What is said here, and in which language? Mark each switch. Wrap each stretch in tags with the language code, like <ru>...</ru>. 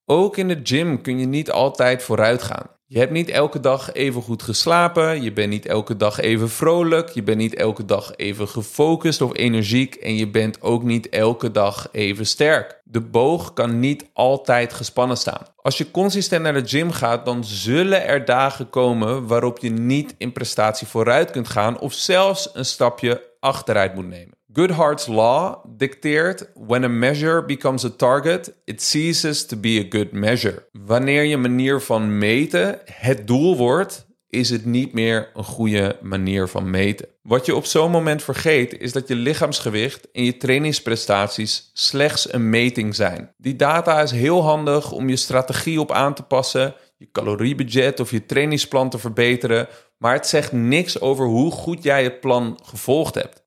<nl>Ook in de gym kun je niet altijd vooruit gaan. Je hebt niet elke dag even goed geslapen, je bent niet elke dag even vrolijk, je bent niet elke dag even gefocust of energiek en je bent ook niet elke dag even sterk. De boog kan niet altijd gespannen staan. Als je consistent naar de gym gaat, dan zullen er dagen komen waarop je niet in prestatie vooruit kunt gaan of zelfs een stapje achteruit moet nemen.</nl> <en>Goodhart's Law</en> <nl>dicteert,</nl> <en>when a measure becomes a target, it ceases to be a good measure.</en> <nl>Wanneer je manier van meten het doel wordt, is het niet meer een goede manier van meten. Wat je op zo'n moment vergeet, is dat je lichaamsgewicht en je trainingsprestaties slechts een meting zijn. Die data is heel handig om je strategie op aan te passen, je caloriebudget of je trainingsplan te verbeteren, maar het zegt niks over hoe goed jij het plan gevolgd hebt.</nl>